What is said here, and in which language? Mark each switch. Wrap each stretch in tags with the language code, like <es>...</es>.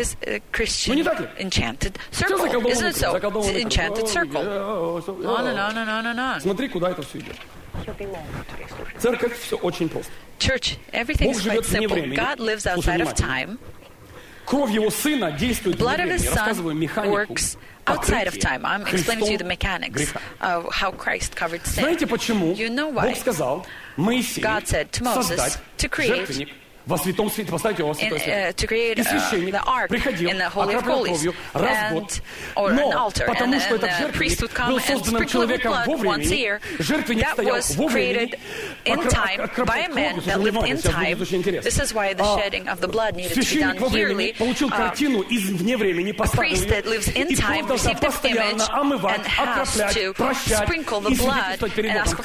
<ru>Ну не так ли?</ru> <en>Enchanted circle.</en> <ru>Все заколдованный круг.</ru> <en>Enchanted circle. On.</en> <ru>Смотри, куда это все идет. Церковь — все очень просто.</ru> <en>Church, everything is quite simple. God lives outside of time.</en> <ru>Кровь Его Сына действует вне времени. Рассказываю механику.</ru> <en>Outside of time, I'm explaining to you the mechanics of how Christ covered sin.</en> <ru>Знаете почему?</ru> <en>You know why?</en> <ru>Бог сказал Моисею</ru> <en>God said to Moses,</en> <ru>создать</ru> <en>to create</en> <ru>во святом свете, поставить его во святой свет. И священник приходил, окроплял кровью раз в год. Но потому что этот жертвенник был созданным человеком во времени, жертвенник стоял во времени, окроплял кровью, священник во времени получил картину из вне времени, поставленную, и должен постоянно омывать, окроплять, прощать, извиниться перед Богом,</ru>